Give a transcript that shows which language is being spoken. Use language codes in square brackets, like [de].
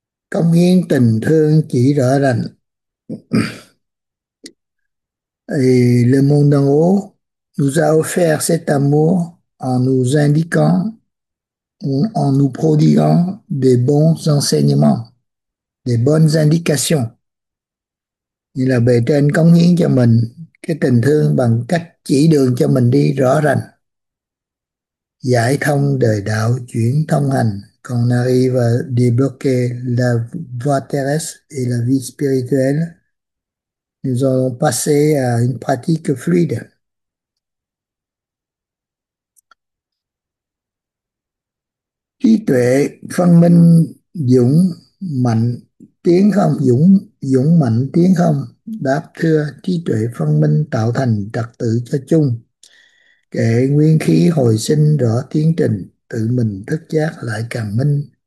[vi] Cống hiến tình thương chỉ rõ rành. [fr] Et le monde d'en haut nous a offert cet amour en nous indiquant, en nous prodiguant des bons enseignements, des bonnes indications. [vi] Il a bề trên cống hiến cho mình cái tình thương bằng cách chỉ đường cho mình đi rõ rành, giải thông đời đạo, chuyển thông hành, [fr] qu'on arrive à débloquer la voie terrestre et la vie spirituelle. Nous allons passer à une pratique fluide. [vi] Trí tuệ phân minh dũng mạnh tiến không, dũng dũng mạnh tiến không. Đáp thưa, trí tuệ phân minh tạo thành trật tự cho chung. Kệ nguyên khí hồi sinh rõ tiến trình, tự mình thức giác lại càng minh.